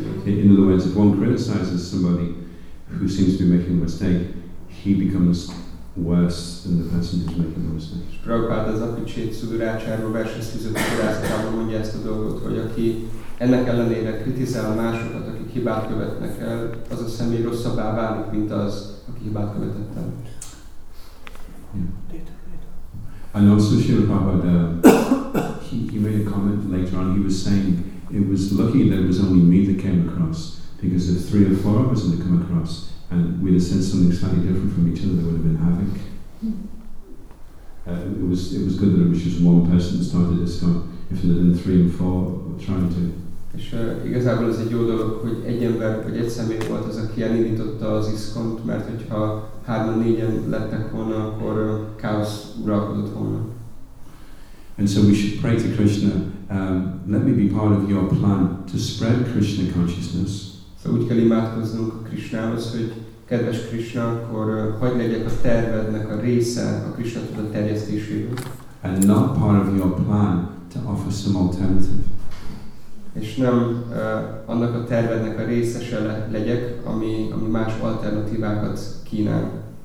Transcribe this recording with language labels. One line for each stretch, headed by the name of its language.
English: In other words, if one criticizes somebody who seems to be making a mistake, he becomes worse than the person who's making the mistake.
Hungarian: Prabhupada az Apicsét Szudurácsáról versus Tizetikurászatában mondja ezt a dolgot, hogy aki ennek ellenére kritizál másokat, akik hibát követnek el, az a személy rosszabbá válik, mint az, aki hibát követett el.
English: And also Srila Prabhupada, he made a comment later on, he was saying it was lucky that it was only me that came across, because if three or four of us had come across and we'd have said something slightly different from each other, there would have been havoc. It was good that it was just one person that started this, so if it had been three and four trying to.
Hungarian: És igazából ez egy jó dolog, hogy egy ember vagy egy személy volt az, aki elindította az iszkont, mert hogyha hárman négyen lettek volna, akkor káosz uralkodott volna.
English: And so we should pray to Krishna, let me be part of your plan to spread Krishna consciousness.
Hungarian: So úgy kell imádkoznunk Krishnához, hogy kedves Krishna, akkor hagyd legyek a tervednek a része a Krishna tudat terjesztésében.
English: And not part of your plan to offer some alternative.
Hungarian: És nem annak a tervednek a részese legyek, ami más alternatívákat kínál.